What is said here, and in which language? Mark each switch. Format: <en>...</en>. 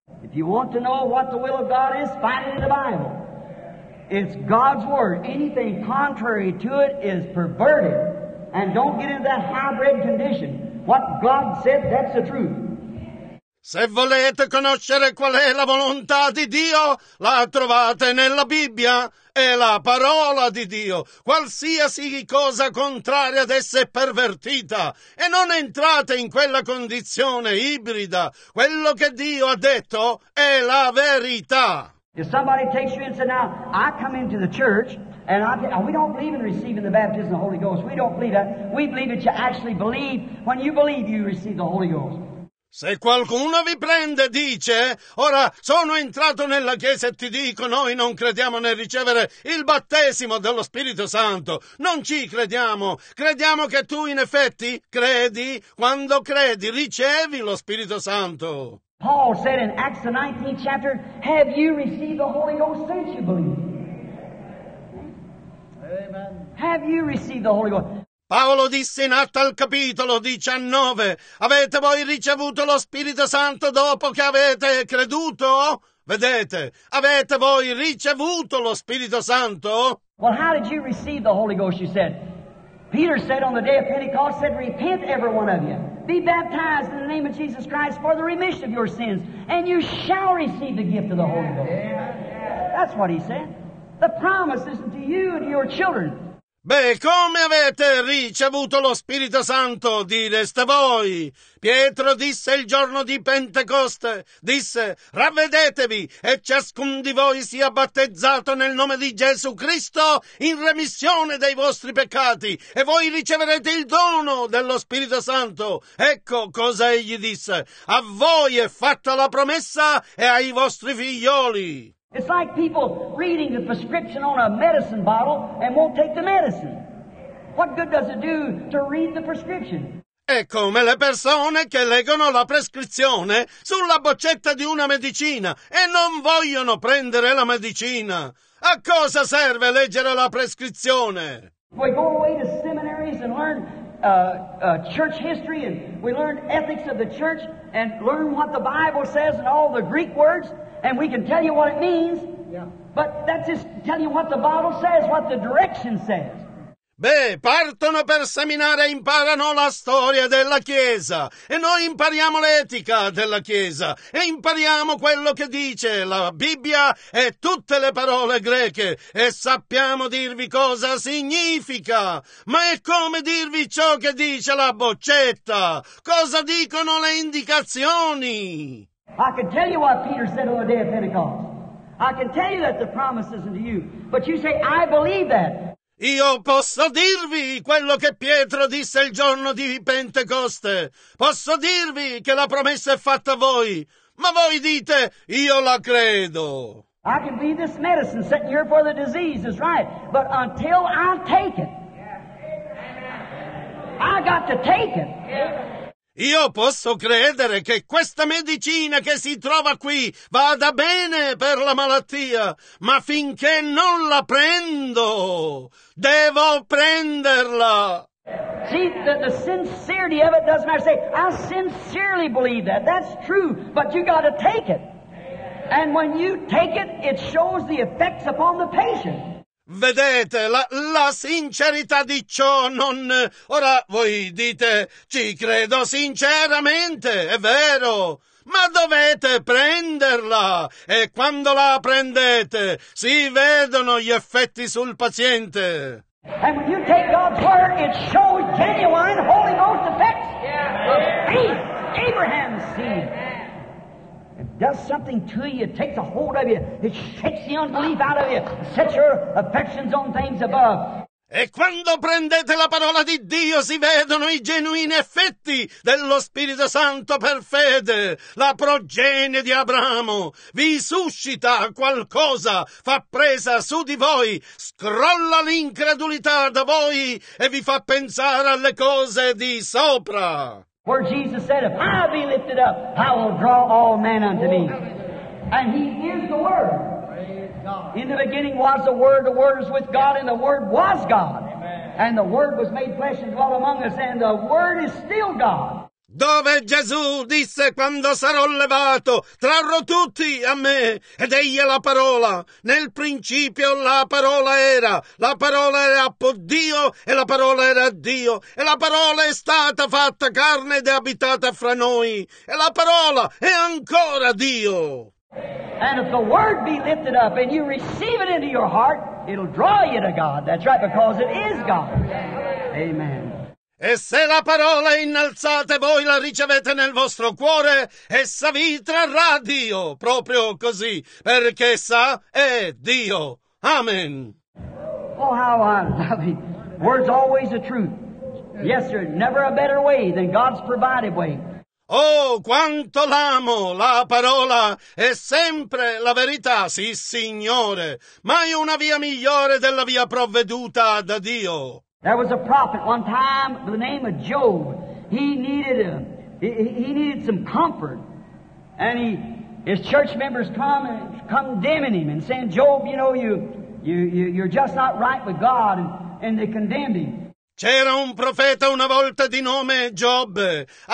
<en>If you want to know what the will of God is, find it in the Bible. It's God's word. Anything contrary to it is perverted. And don't get into that hybrid condition. What God said, that's the truth.</en> <it>Se volete conoscere qual è la volontà di Dio, la trovate nella Bibbia. È la parola di Dio. Qualsiasi cosa contraria ad essa è pervertita. E non entrate in quella condizione ibrida. Quello che Dio ha detto è la verità.</it> <en>If somebody takes you and says, now, I come into the church, and we don't believe in receiving the baptism of the Holy Ghost. We don't believe that. We believe that you actually believe. When you believe, you receive the Holy Ghost.</en> <it>Se qualcuno vi prende e dice, ora sono entrato nella chiesa e ti dico, noi non crediamo nel ricevere il battesimo dello Spirito Santo, non ci crediamo, crediamo che tu in effetti credi, quando credi ricevi lo Spirito Santo.</it> <en>Paul said in Acts the 19th chapter, have you received the Holy Ghost since you believe? Amen. Have you received the Holy Ghost?</en> <it>Paolo disse in Atto al capitolo 19, avete voi ricevuto lo Spirito Santo dopo che avete creduto? Vedete, avete voi ricevuto lo Spirito Santo?</it> <en>Well, how did you receive the Holy Ghost, you said? Peter said on the day of Pentecost, said, repent every one of you. Be baptized in the name of Jesus Christ for the remission of your sins, and you shall receive the gift of the Holy Ghost. Yeah. That's what he said. The promise is to you and your children.</en> <it>Beh, come avete ricevuto lo Spirito Santo, direste voi. Pietro disse il giorno di Pentecoste, disse, ravvedetevi e ciascun di voi sia battezzato nel nome di Gesù Cristo in remissione dei vostri peccati e voi riceverete il dono dello Spirito Santo. Ecco cosa egli disse, a voi è fatta la promessa e ai vostri figlioli.</it> <en>It's like people reading the prescription on a medicine bottle and won't take the medicine. What good does it do to read the prescription?</en> <it>È come le persone che leggono la prescrizione sulla boccetta di una medicina e non vogliono prendere la medicina. A cosa serve leggere la prescrizione?</it> <en>We go away to seminaries and learn church history, and we learn ethics of the church, and learn what the Bible says and all the Greek words. And we can tell you what it means, yeah. But that's just telling you what the Bible says, what the direction says.</en> <it>Beh, partono per seminare e imparano la storia della Chiesa. E noi impariamo l'etica della Chiesa. E impariamo quello che dice la Bibbia e tutte le parole greche. E sappiamo dirvi cosa significa. Ma è come dirvi ciò che dice la boccetta. Cosa dicono le indicazioni?</it> <en>I can tell you what Peter said on the day of Pentecost. I can tell you that the promise isn't to you. But you say, I believe that.</en> <it>Io posso dirvi quello che Pietro disse il giorno di Pentecoste. Posso dirvi che la promessa è fatta a voi. Ma voi dite, io la credo.</it> <en>I can believe this medicine sitting here for the disease is right. But until I take it, I got to take it.</en> <it>Io posso credere che questa medicina che si trova qui vada bene per la malattia, ma finché non la prendo, devo prenderla.</it> <en>See, the sincerity of it doesn't matter. Say, I sincerely believe that. That's true, but you got to take it. And when you take it, it shows the effects upon the patient.</en> <it>Vedete, la sincerità di ciò non... Ora voi dite, ci credo sinceramente, è vero, ma dovete prenderla e quando la prendete si vedono gli effetti sul paziente.</it> <en>And when you take God's word, it shows genuine Holy Ghost effects. Yeah. Faith, Abraham's seed. Does something to you, it takes a hold of you, it shakes the unbelief out of you, sets your affections on things above.</en> <it>E quando prendete la parola di Dio si vedono i genuini effetti dello Spirito Santo per fede. La progenie di Abramo vi suscita qualcosa, fa presa su di voi, scrolla l'incredulità da voi e vi fa pensare alle cose di sopra.</it> <en>Where Jesus said, if I be lifted up, I will draw all men unto me. And he is the Word. In the beginning was the Word was with God, and the Word was God. Amen. And the Word was made flesh and dwelt among us, and the Word is still God.</en> <it>Dove Gesù disse, quando sarò levato, trarrò tutti a me, ed egli è la parola. Nel principio la parola era Dio, e la parola era Dio, e la parola è stata fatta carne ed è abitata fra noi, e la parola è ancora Dio.</it> <en>And if the word be lifted up and you receive it into your heart, it'll draw you to God. That's right, because it is God. Amen.</en> <it>E se la parola è innalzata e voi la ricevete nel vostro cuore, essa vi trarrà Dio, proprio così, perché essa è Dio. Amen.</it> <en>Oh, how I love it. Word's always the truth. Yes, sir, never a better way than God's provided way.</en> <it>Oh, quanto l'amo, la parola è sempre la verità, sì, Signore. Mai una via migliore della via provveduta da Dio.</it> <en>There was a prophet one time by the name of Job. He needed some comfort. And his church members condemning him and saying, Job, you know, you're just not right with God. And they condemned him.</en> <it>C'era un profeta una volta di nome Job.</it>